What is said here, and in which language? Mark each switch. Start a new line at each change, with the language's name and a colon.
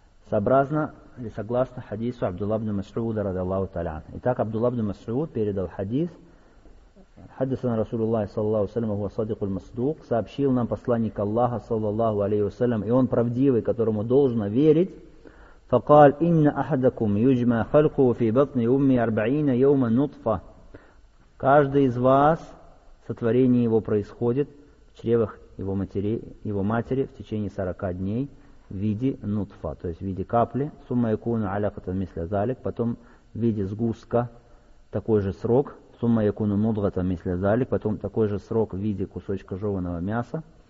Russian: Сообразно или согласно хадису Абдулла ибн Мас'уда, радиаллаху таля. Итак, Абдулла ибн Мас'уд передал хадис.
Arabic: Хадисана Расулуллахи,
Russian: саллаллаху алейхи вассалям,
Arabic: ва садикуль масдук,
Russian: сообщил нам посланник Аллаха, саллаллаху алейхи вассалям, и он правдивый, которому должно верить.
Arabic: فقال إن أحدكم يجمع خلقه في بطن أمه 40 يوما نطفة.
Russian: Каждый из вас, сотворение его происходит в чревах его матери в течение 40 дней в виде нутфа, то есть в виде капли.
Arabic: ثم يكون علقة مثل ذلك,
Russian: потом в виде сгустка такой же срок.
Arabic: ثم يكون مضغة مثل ذلك,
Russian: потом такой же срок в виде кусочка жеваного мяса.